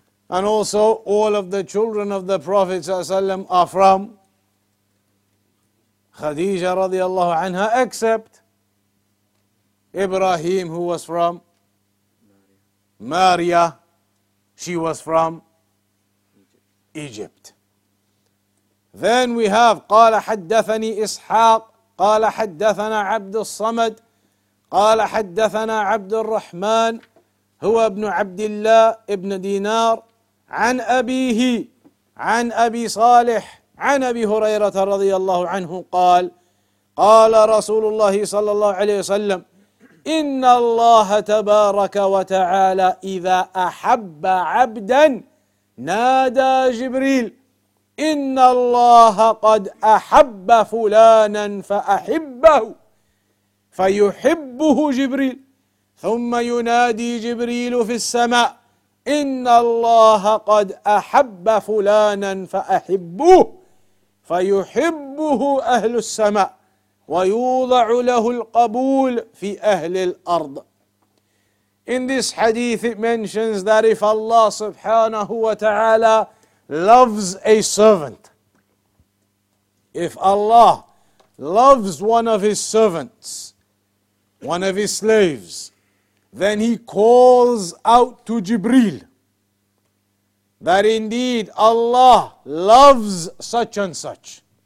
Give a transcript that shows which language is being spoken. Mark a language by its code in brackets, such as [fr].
[en] And also, all of the children of the Prophet sallallahu alaihi wasallam are from Khadija radiallahu anha, except Ibrahim, who was from Maria. She was from Egypt. Then we have [ar] قال حدثني إسحاق قال حدثنا عبد الصمد قال حدثنا عبد الرحمن هو ابن عبد الله ابن دينار عن أبيه عن أبي صالح عن أبي هريرة رضي الله عنه قال قال رسول الله صلى الله عليه وسلم إن الله تبارك وتعالى إذا أحب عبدا نادى جبريل إن الله قد أحب فلانا فأحبه فيحبه جبريل ثم ينادي جبريل في السماء إن الله قد أحب فلانا فأحبه فيحبه أهل السماء ويوضع له القبول في أهل الأرض. [en] In this hadith, it mentions that if Allah subhanahu wa ta'ala loves a servant, if Allah loves one of his servants, one of his slaves, then he calls out to Jibreel that indeed Allah loves such and such.